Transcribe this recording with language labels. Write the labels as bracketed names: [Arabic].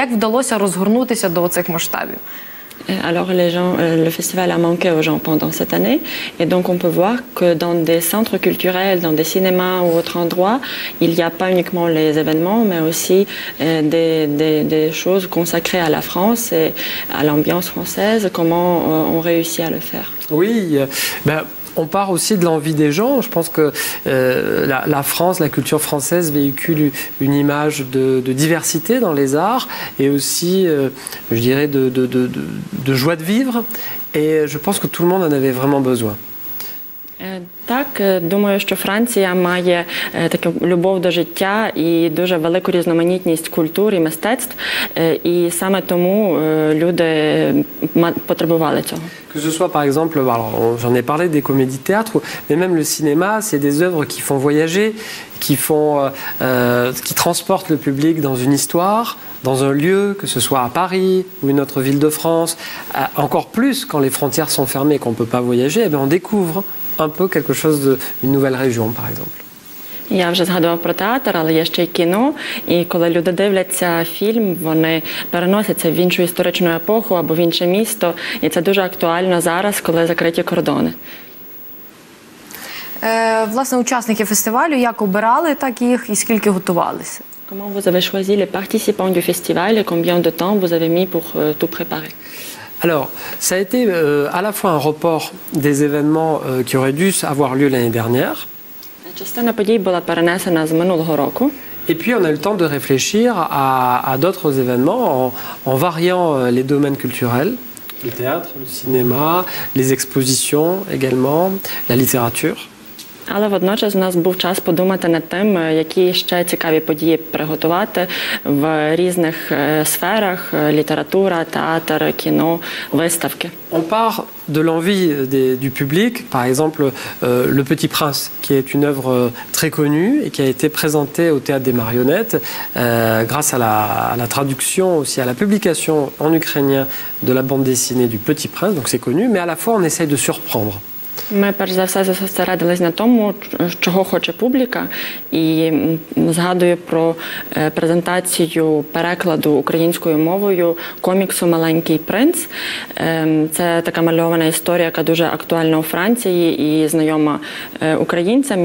[Ukrainian] Як вдалося розгорнутися до цих масштабів? [French] Alors les gens, le festival a manqué aux gens pendant cette année et donc on peut voir que dans des centres culturels, dans des cinémas ou autres endroits, il n'y a pas uniquement les événements mais aussi des choses consacrées à la France et à l'ambiance française, comment on réussit à le faire. Oui, ben on part aussi de l'envie des gens. Je pense que la France, la culture française véhicule une image de diversité dans les arts et aussi, je dirais, de joie de vivre. Et je pense que tout le monde en avait vraiment besoin. [Ukrainian] Так, думаю, що Франція має таку любов до життя і дуже велику різноманітність культур і мистецтв. І саме тому люди потребували цього. [French] Que ce soit, par exemple, alors, j'en ai parlé des comédies théâtre, mais même le cinéma, c'est des œuvres qui font voyager, qui transportent le public dans une histoire, dans un lieu, que ce soit à Paris ou une autre ville de France. Encore plus, quand les frontières sont fermées et qu'on ne peut pas voyager, eh bien, on découvre un peu quelque chose d'une nouvelle région, par exemple. [Ukrainian] Я вже згадував про театр, але є ще й кіно. І коли люди дивляться фільм, вони переносяться в іншу історичну епоху або в інше місто. І це дуже актуально зараз, коли закриті кордони. Власне, учасники фестивалю, як обирали, так їх і скільки готувалися? [French] Comment vous avez choisi les participants du festival et combien de temps vous avez mis pour tout préparer? Alors, ça a été à la fois un report des événements qui auraient dû avoir lieu l'année dernière. [Ukrainian] Частина подій була перенесена з минулого року. [French] Et puis on a eu le temps de réfléchir à d'autres événements en variant les domaines culturels, le théâtre, le cinéma, les expositions également, la littérature. [Ukrainian] Але водночас у нас був час подумати над тим, які ще цікаві події приготувати в різних сферах: література, театр, кіно, виставки. [French] On part de l'envie du public, par exemple Le Petit Prince, qui est une œuvre très connue et qui a été présentée au Théâtre des Marionnettes grâce à la traduction, aussi à la publication en ukrainien de la bande dessinée du Petit Prince, donc c'est connu, mais à la fois on essaye de surprendre. [Ukrainian] Ми перш за все зосередились на тому, чого хоче публіка, і згадую про презентацію перекладу українською мовою коміксу «Маленький принц». Це така мальована історія, яка дуже актуальна у Франції і знайома українцям.